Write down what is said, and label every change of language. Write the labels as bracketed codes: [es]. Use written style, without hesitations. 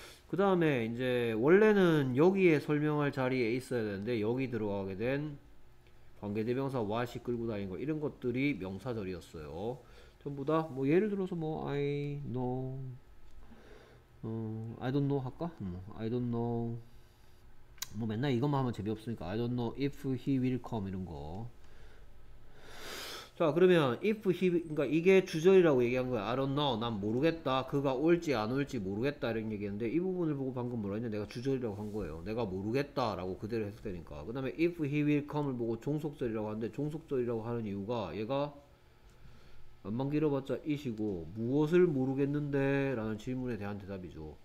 [ko] 그 다음에 이제 원래는 여기에 설명할 자리에 있어야 되는데 여기 들어가게 된 관계대명사 what이 끌고 다닌 거 이런 것들이 명사절이었어요. 전부 다뭐 예를 들어서 뭐 [en] I know. I don't know [ko] 할까? [en] I don't know. [ko] 뭐 맨날 이것만 하면 재미없으니까. [en] I don't know if he will come [ko] 이런 거. 자, 그러면 if he, 그러니까 이게 주절이라고 얘기한 거야. [en] I don't know. [ko] 난 모르겠다. 그가 올지 안 올지 모르겠다. 이런 얘기했는데 이 부분을 보고 방금 뭐라 했냐? 내가 주절이라고 한 거예요. 내가 모르겠다라고 그대로 해석되니까. 그 다음에 [en] if he will come [ko] 을 보고 종속절이라고 하는데 종속절이라고 하는 이유가 얘가 안만 길어봤자 is이고 무엇을 모르겠는데 라는 질문에 대한 대답이죠.